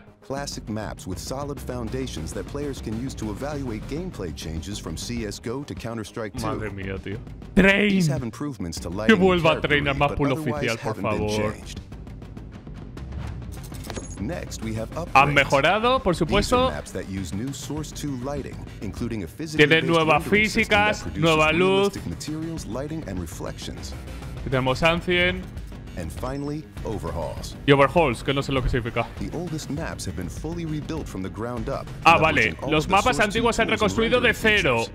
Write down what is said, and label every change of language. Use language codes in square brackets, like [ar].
[en] Classic maps with solid foundations that players can use to evaluate gameplay changes from CS:GO to Counter-Strike 2. [es] Madre mía, tío. [en] Train. These have improvements to lighting. [es] Que vuelva a Train al mapa oficial, por favor. [en] Next, we have upgrades. [es] Han mejorado, por supuesto. [en] Maps that use new Source 2 lighting, including a physically [es] tienen nuevas físicas, nueva luz. [en] Materials, lighting and reflections. [es] Tenemos Ancien. [en] And finally, overhauls. [es] Y overhauls, que no sé lo que significa. [en] The oldest maps have been fully rebuilt from the ground up. [es] Ah, vale. Los mapas antiguos se han reconstruido de cero.